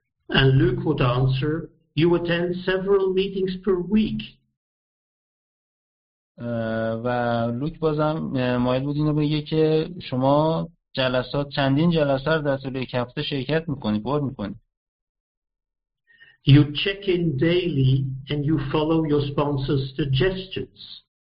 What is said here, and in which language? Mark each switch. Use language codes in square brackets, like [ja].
[en] And Luke would answer, you attend several meetings per week. [fa] و لوک بازم مایل بود اینو بگه که شما جلسات چندین جلسه رو در طول یک هفته شرکت میکنی، بار میکنی. [en] You check in daily and you follow your sponsor's suggestions.